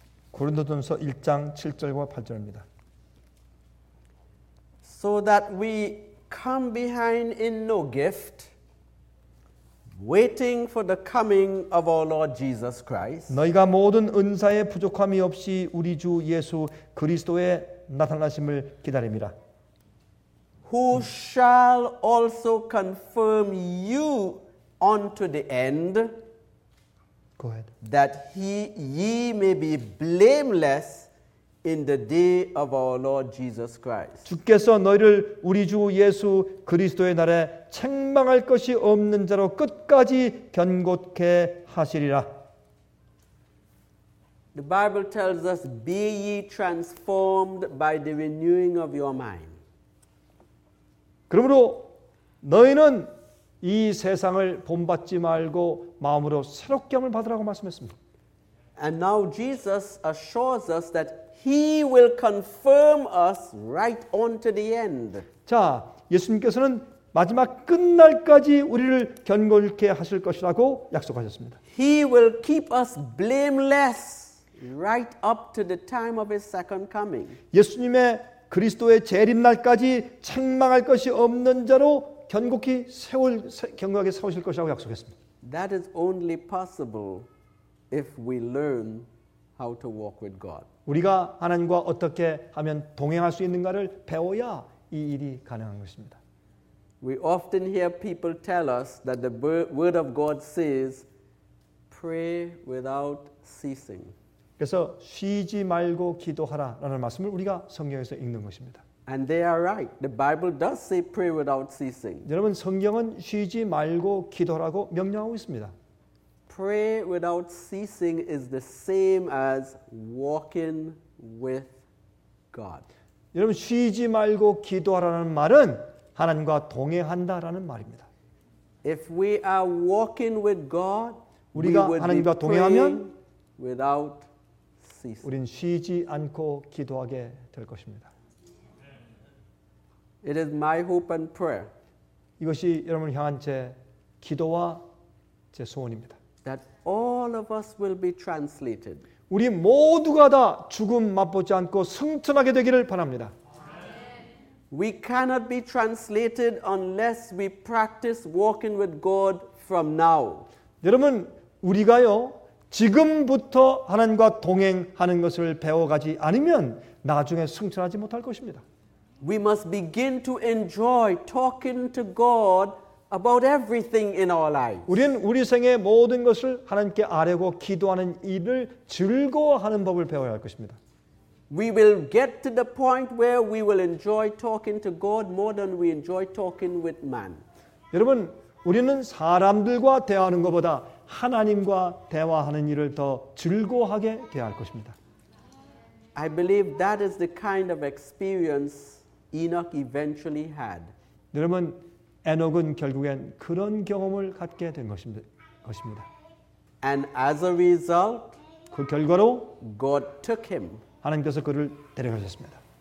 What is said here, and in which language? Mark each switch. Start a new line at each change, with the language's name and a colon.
Korean: 고린도전서 1장 7절과 8절입니다.
English: So that we come behind in no gift, waiting for the coming of our Lord Jesus Christ.
Korean: 너희가 모든 은사에 부족함이 없이 우리 주 예수 그리스도의 나타나심을 기다립니다.
English: Who shall also confirm you unto the end, Go ahead. That ye may be blameless in the day of our Lord Jesus Christ.
Korean: 주께서 너희를 우리 주 예수 그리스도의 날에 책망할 것이 없는 자로 끝까지 견고케 하시리라.
English: The Bible tells us, be ye transformed by the renewing of your mind.
Korean: 그러므로 너희는 이 세상을 본받지 말고 마음으로 새롭게 함을 받으라고 말씀했습니다.
English: And now Jesus assures us that he will confirm us right on to the end.
Korean: 자, 예수님께서는 마지막 끝날까지 우리를 견고케 하실 것이라고 약속하셨습니다.
English: He will keep us blameless right up to the time of his second coming.
Korean: 예수님의 그리스도의 재림 날까지 책망할 것이 없는 자로 견고히 견고하게 세우실 것이라고 약속했습니다.
English: That is only possible if we learn how to walk with God.
Korean: 우리가 하나님과 어떻게 하면 동행할 수 있는가를 배워야 이 일이 가능한 것입니다.
English: We often hear people tell us that the word of God says, "Pray without ceasing."
Korean: 그래서 쉬지 말고 기도하라라는 말씀을 우리가 성경에서 읽는 것입니다.
English: And they are right. The Bible does say pray without ceasing.
Korean: 여러분, 성경은 쉬지 말고 기도하라고 명령하고 있습니다.
English: Pray without ceasing is the same as walking with God.
Korean: 여러분, 쉬지 말고 기도하라는 말은 하나님과 동행한다라는 말입니다.
English: If we are walking with God,
Korean: 우리가 하나님과 동행하면
English: without
Korean: 우린 쉬지 않고 기도하게 될 것입니다.
English: It is my hope and prayer.
Korean: 이것이 여러분을 향한 제 기도와 제 소원입니다.
English: That all of us will be translated.
Korean: 우리 모두가 다 죽음 맛보지 않고 승천하게 되기를 바랍니다.
English: We cannot be translated unless we practice walking with God from now.
Korean: 여러분, 우리가요 지금부터 하나님과 동행하는 것을 배워가지 않으면 나중에 승천하지 못할 것입니다.
English: We must begin to enjoy talking to God about everything in our lives.
Korean: 우리는 우리 생의 모든 것을 하나님께 아뢰고 기도하는 일을 즐거워하는 법을 배워야 할 것입니다.
English: We will get to the point where we will enjoy talking to God more than we enjoy talking with man.
Korean: 여러분, 우리는 사람들과 대화하는 것보다 하나님과 대화하는 일을 더 즐거워하게 되어야 할 것입니다.
English: I believe that is the kind of experience Enoch eventually had.
Korean: 여러분, 에녹은 결국엔 그런 경험을 갖게 된 것입니다.
English: And as a result,
Korean: 그 결과로
English: God took him.
Korean: 하나님께서 그를 데려가셨습니다.